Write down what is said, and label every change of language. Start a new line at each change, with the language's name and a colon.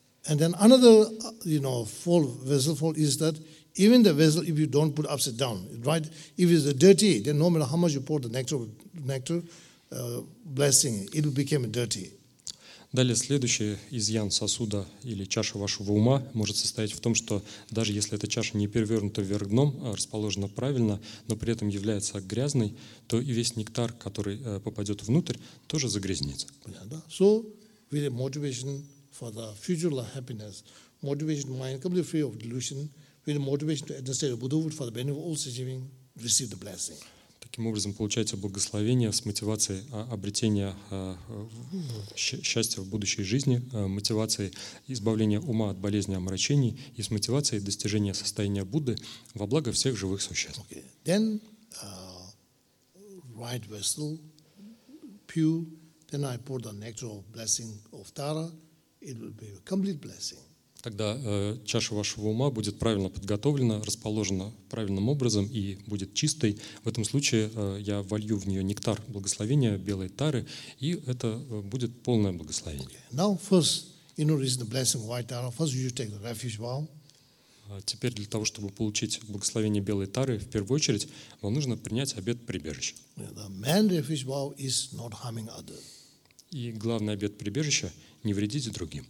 English: And then another, you know, fall, vessel fall is that even the vessel, if you don't put upside down, right? If it's dirty, then no matter how much you pour the nectar blessing, it will become dirty.
Russian: Далее следующий изъян сосуда или чаша вашего ума может состоять в том, что даже если эта чаша не перевернута вверх дном, а расположена правильно, но при этом является грязной, то и весь нектар, который попадет внутрь, тоже загрязнится. Понятно, да?
English: So, with the motivation for the future happiness, motivation mind completely free of delusion, with motivation to understand the Buddhahood for the benefit of all such beings, receive the blessing.
Russian: Таким образом, получаете благословение с мотивацией обретения счастья в будущей жизни, мотивацией избавления ума от болезни и омрачений и с мотивацией достижения состояния Будды во благо всех живых существ.
English: Okay. Then, right vessel, pure, then I pour the nectar of blessing of Tara, it will be a complete blessing.
Russian: Тогда чаша вашего ума будет правильно подготовлена, расположена правильным образом и будет чистой. В этом случае я волью в нее нектар благословения белой тары, и это будет полное благословение.
English: Now first, in order to receive the blessing of white tara, first you take the refuge vow.
Russian: Теперь для того, чтобы получить благословение белой тары, в первую очередь вам нужно принять обет прибежища.
English: The main refuge vow is not harming others.
Russian: И главный обет прибежища – не вредить другим.